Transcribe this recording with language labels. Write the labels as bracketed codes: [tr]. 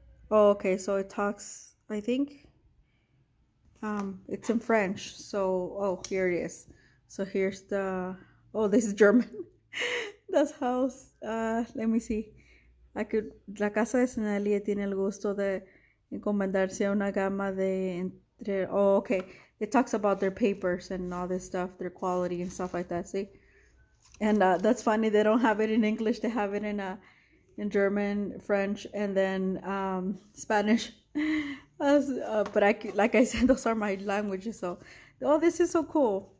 [en] Oh, okay, so it talks, I think. It's in French. So, oh, here it is. So here's the, oh, this is German. That's house. Let me see. I could, [es] La casa de Sennelier tiene el gusto de encomendarse a una gama de entre. [en] Oh, okay. It talks about their papers and all this stuff, their quality and stuff like that. See? And that's funny, they don't have it in English. They have it in German, French, and then Spanish. But like I said, those are my languages. So, oh, this is so cool.